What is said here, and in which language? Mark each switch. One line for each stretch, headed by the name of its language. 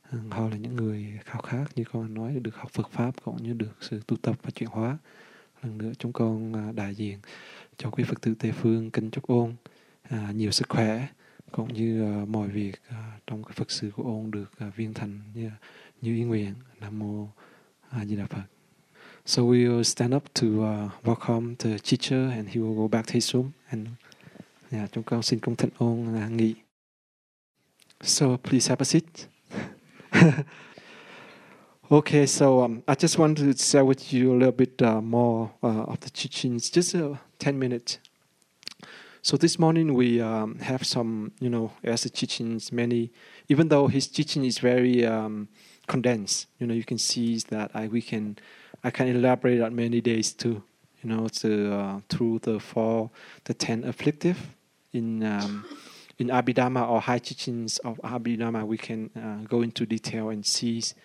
Vietnamese: Họ là những người khao khát, như con nói, được học Phật Pháp cũng như được sự tu tập và chuyển hóa. Lần nữa chúng con đại diện cho quý Phật tử Tây Phương kính chúc Ôn nhiều sức khỏe, cũng như mọi việc trong cái Phật sự của Ôn được viên thành như ý nguyện. Nam mô A Di Đà Phật.
English: So we will stand up to welcome the teacher, and he will go back to his room.
Vietnamese: And chúng con xin cung thỉnh Ôn nghỉ.
English: So please have a seat. Okay, so I just wanted to share with you a little bit more of the teachings, just 10 minutes. So this morning we have some, you know, as the teachings, many, even though his teaching is very condensed, you know, you can see that I can elaborate on many days too, you know, through the 4, the 10 afflictive in Abhidhamma or high teachings of Abhidhamma, we can go into detail and see